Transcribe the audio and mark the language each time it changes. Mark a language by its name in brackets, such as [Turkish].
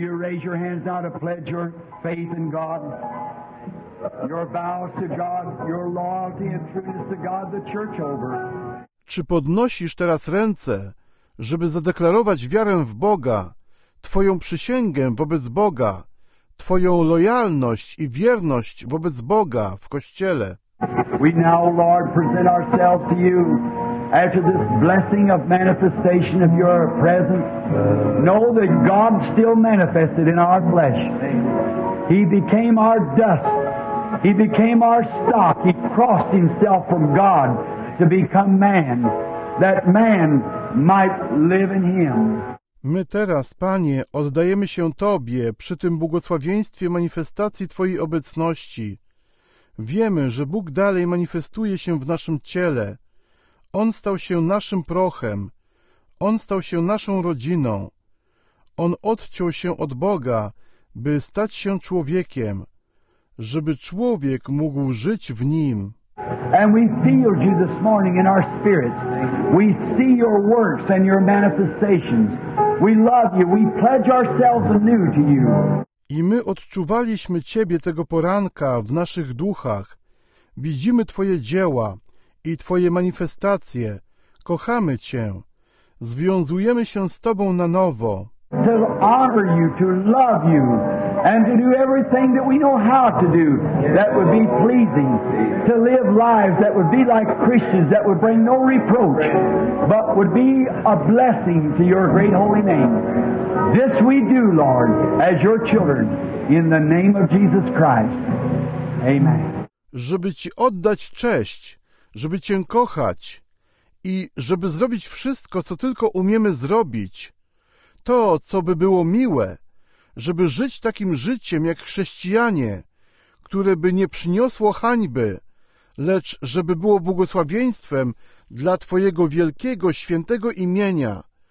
[English] Raise your hands now to pledge your faith in God, your vows to God, your loyalty and trueness to God, the church over. [Polish] Czy podnosisz teraz ręce, żeby zadeklarować wiarę w Boga, twoją przysięgę wobec Boga, twoją lojalność i wierność wobec Boga w Kościele? [English] We now, Lord, present ourselves to you. After this blessing of manifestation of your presence, know that God still manifested in our flesh. He became our dust. He became our stock. He crossed himself from God to become man, that man might live in him. [Polish] My teraz, Panie, oddajemy się Tobie przy tym błogosławieństwie manifestacji Twojej obecności. Wiemy, że Bóg dalej manifestuje się w naszym ciele. On stał się naszym prochem. On stał się naszą rodziną. On odciął się od Boga, by stać się człowiekiem, żeby człowiek mógł żyć w Nim. [English] And we feel you this morning in our spirits. We see your works and your manifestations. We love you. We pledge ourselves anew to you. [Polish] I my odczuwaliśmy Ciebie tego poranka w naszych duchach. Widzimy Twoje dzieła i Twoje manifestacje. Kochamy Cię. Związujemy się z Tobą na nowo. [English] To honor you, to love you, and to do everything that we know how to do that would be pleasing. To live lives that would be like Christians, that would bring no reproach, but would be a blessing to your great holy name. This we do, Lord, as your children, in the name of Jesus Christ. Amen. [Polish] Żeby Ci oddać cześć, żeby Cię kochać i żeby zrobić wszystko, co tylko umiemy zrobić, to, co by było miłe, żeby żyć takim życiem jak chrześcijanie, które by nie przyniosło hańby, lecz żeby było błogosławieństwem dla Twojego wielkiego, świętego imienia.